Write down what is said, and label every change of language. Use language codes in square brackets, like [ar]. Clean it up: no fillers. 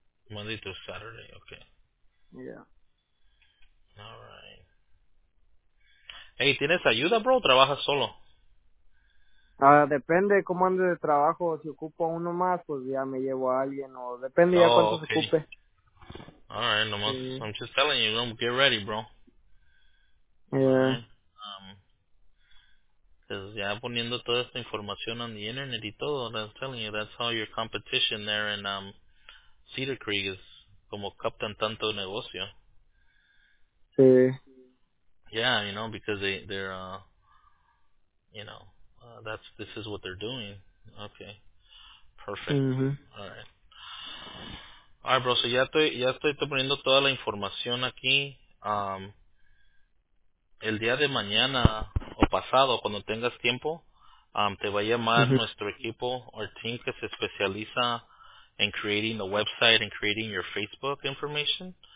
[en] Monday through Saturday, okay. Yeah. All right. Hey, [es] ¿tienes ayuda, bro, o trabajas solo? Depende cómo ande de trabajo. Si ocupo uno más, pues ya me llevo a alguien. O depende ya cuánto se ocupe. [en] All right, [es] nomás, sí. [en] I'm just telling you, don't get ready, bro. Yeah. [es] Pues ya poniendo toda esta información [en] on the internet y todo, I'm telling you, that's all your competition there in Cedar Creek is [es] como captan tanto negocio. Sí. [en] Yeah, you know, because they're you know, this is what they're doing. Okay. Perfect. Mm-hmm. All right. All right, bro, so [es] ya estoy poniendo toda la información aquí. El día de mañana o pasado, cuando tengas tiempo, te va a llamar nuestro equipo, [en] our team, [es] que se especializa en [en] creating the website and creating your Facebook information.